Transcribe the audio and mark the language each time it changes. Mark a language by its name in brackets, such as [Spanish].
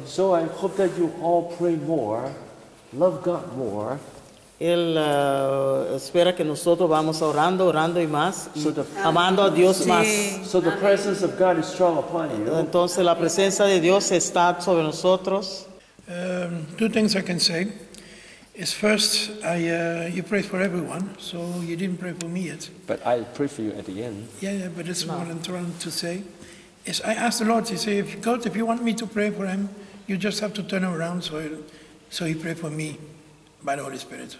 [English] So I hope that you all pray more, love God more. [Spanish] Él espera que nosotros vamos orando y más, amando a Dios más. [English] So the presence of God is strong upon you. [Spanish] Entonces la presencia de Dios está sobre nosotros. [English] Two things I can say is first, you prayed for everyone, so you didn't pray for me yet. But I pray for you at the end. Yeah, but it's more important to say. Is I asked the Lord, he said, God, if you want me to pray for him, you just have to turn around so he prayed for me by the Holy Spirit.